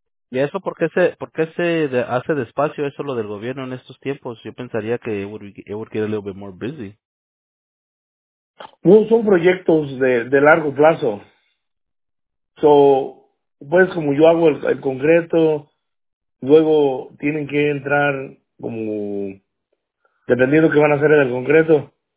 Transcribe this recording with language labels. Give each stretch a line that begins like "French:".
Spanish: ¿Y eso por qué se hace despacio eso lo del gobierno en estos tiempos? Yo pensaría que
English: it would get a little bit more busy.
Spanish: No, son proyectos de largo plazo. So, pues como yo hago el concreto, luego tienen que entrar como, dependiendo qué van a hacer en el concreto,